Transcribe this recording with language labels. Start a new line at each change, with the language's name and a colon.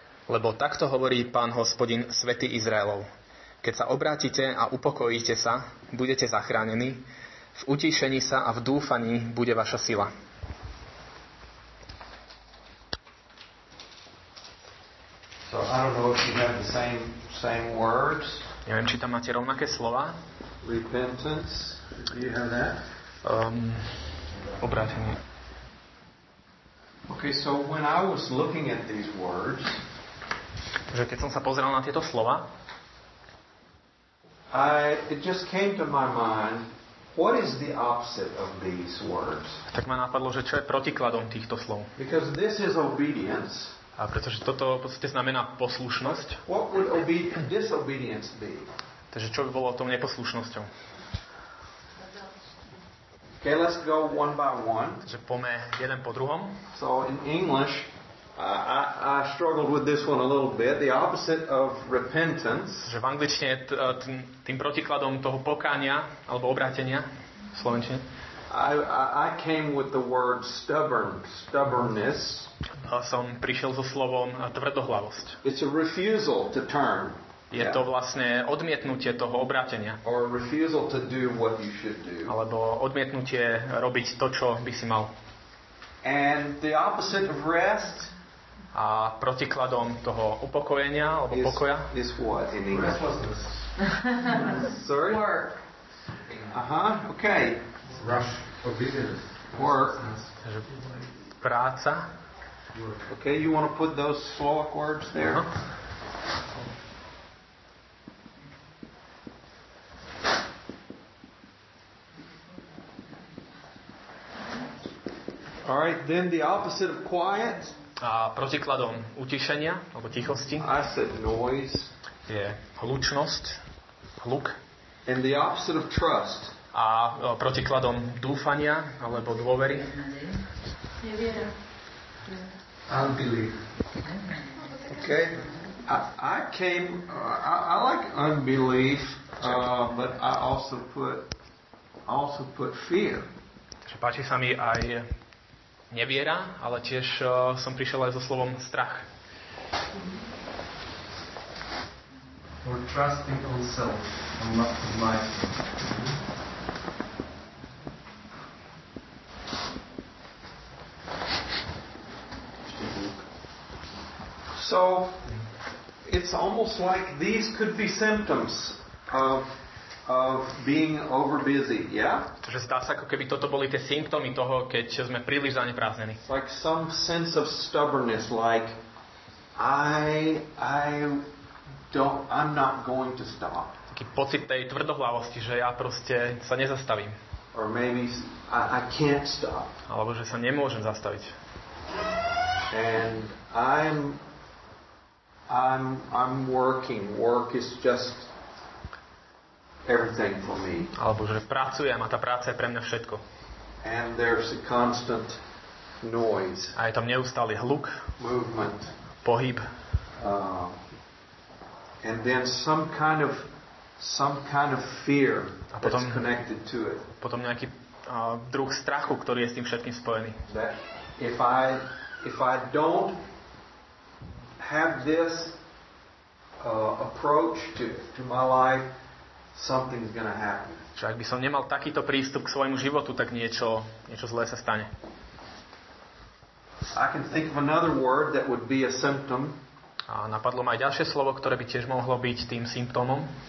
Slovak: Lebo takto hovorí Pán Hospodin, Svätý Izraelov. Keď sa obrátite a upokojíte sa, budete zachránení. V utíšení sa a v dúfaní bude vaša sila.
English: So, I don't know if you have the same words.
Slovak: Neviem, či tam máte rovnaké slova.
English: Repentance. Do you have that?
Slovak: Obrátenie.
English: Okay, so when I was looking at these words,
Slovak: že keď som sa pozeral na tieto slova,
English: it just came to my mind, what is the opposite of these words?
Slovak: Tak ma napadlo, že čo je protikladom týchto slov.
English: Because this is obedience.
Slovak: A pretože toto v podstate znamená poslušnosť.
English: What would disobedience be?
Slovak: Takže čo by bolo tou neposlušnosťou?
English: Okay, let's go one by one.
Slovak: Takže poďme jeden po druhom.
English: So in English, I struggled with this one a little bit. The opposite of repentance.
Slovak: Že v angličtine je tým protikladom toho pokánia alebo obrátenia v slovenčine.
English: I came with the word stubbornness.
Slovak: A som prišiel so slovom tvrdohlavosť.
English: It's a refusal to turn.
Slovak: Je to vlastne odmietnutie toho obrátenia.
English: Or a refusal to do what you should do.
Slovak: Alebo odmietnutie robiť to, čo by si mal.
English: And the opposite of rest.
Slovak: A protikladom toho upokojenia alebo pokoja
English: is what in restlessness. Sorry. Work. Okay. Rush. Obedience. Work.
Slovak: Práca.
English: Okay, you want to put those Slovak words there. All right, then the opposite of quiet.
Slovak: A protikladom utišenia alebo tichosti.
English: I said noise.
Slovak: Je hlučnosť, hluk.
English: And the opposite of trust.
Slovak: A protikladom dúfania alebo dôvery.
English: Unbelief. Okay. I like unbelief, but I also put fear.
Slovak: Takže páči sa mi aj neviera, ale tiež som prišiel aj so slovom strach.
English: Or trusting on self and not on my self. So it's almost like these could be symptoms of being over busy, yeah?
Slovak: Takže zdá sa, ako keby toto boli tie symptómy toho, keď sme príliš zaneprázdnení.
English: Like some sense of stubbornness, like I'm not going to stop.
Slovak: Taký pocit tej tvrdohlavosti, že ja proste sa nezastavím.
English: Or maybe I can't stop.
Slovak: Alebo že sa nemôžem zastaviť.
English: And I'm working. Work is just everything for me.
Slovak: Alebo že pracujem a tá práca je pre mňa všetko.
English: And there's a constant noise.
Slovak: A je tam neustály hluk.
English: Movement.
Slovak: Pohyb.
English: And then some kind of fear that's connected to it.
Slovak: Potom nejaký druh strachu, ktorý je s tým všetkým spojený.
English: That if I don't have this approach to my life, something's gonna happen.
Slovak: Čiže ak by som nemal takýto prístup k svojmu životu, tak niečo zlé sa stane.
English: I can think of another word that would be a symptom.
Slovak: A napadlo ma aj ďalšie slovo, ktoré by tiež mohlo byť tým symptómom.